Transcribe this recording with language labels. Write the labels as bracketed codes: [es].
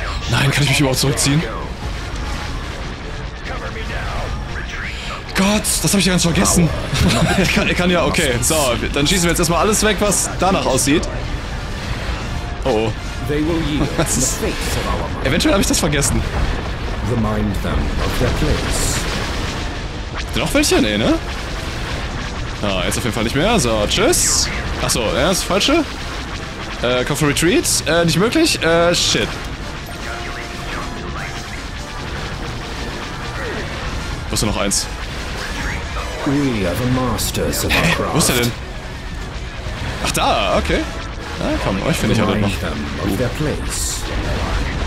[de] Nein, kann ich mich überhaupt zurückziehen? Gott, das habe ich ja ganz vergessen. er kann ja, okay. So, dann schießen wir jetzt erstmal alles weg, was danach aussieht. Oh. Was ist? Eventuell habe ich das vergessen. [en] Remind them of their place. [de] Noch welche? Nee, ne? Ah, jetzt auf jeden Fall nicht mehr. So, tschüss. Achso, ja, das falsche. [en] Call for retreat. [de] Nicht möglich. Shit. Wo ist denn noch eins? [en] We are the masters of our craft. [de] Wo ist der denn? Ach da, okay. Ja, komm, euch finde ich auch noch.